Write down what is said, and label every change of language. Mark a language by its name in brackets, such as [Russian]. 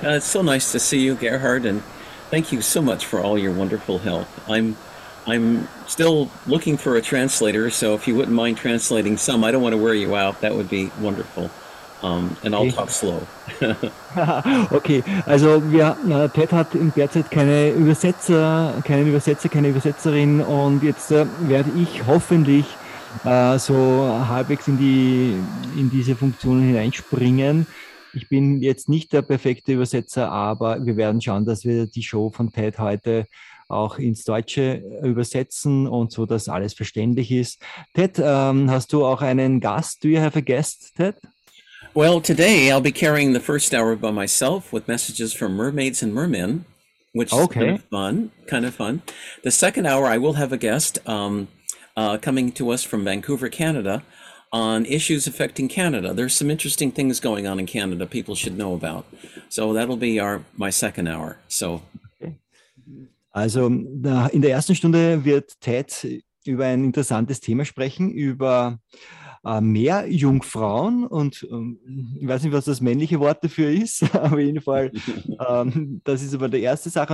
[English] It's so nice to see you, Gerhard, and thank you so much for all your wonderful help. I'm still looking for a translator, so if you wouldn't mind translating some, I don't want to wear you out. That would be wonderful. And I'll talk slow. [German] Okay, also Ted hat in der Zeit keine Übersetzerin und jetzt werde ich hoffentlich so halbwegs in diese Funktionen hineinspringen. Ich bin jetzt nicht der perfekte Übersetzer, aber wir werden schauen, dass wir die Show von Ted heute auch ins Deutsche übersetzen und so, dass alles verständlich ist. Ted, hast du auch einen Gast? [English] Do you have a guest, Ted? Well, today I'll be carrying the first hour by myself with messages from Mermaids and Mermen, which okay. is kind of fun. The second hour, I will have a guest coming to us from Vancouver, Canada, on issues affecting Canada. There's some interesting things going on in Canada people should know about. So that'll be my second hour. So, okay. [German] Also in der ersten Stunde wird Ted über ein interessantes Thema sprechen, über mehr Jungfrauen und ich weiß nicht, was das männliche Wort dafür ist, aber auf jeden Fall, das ist aber die erste Sache.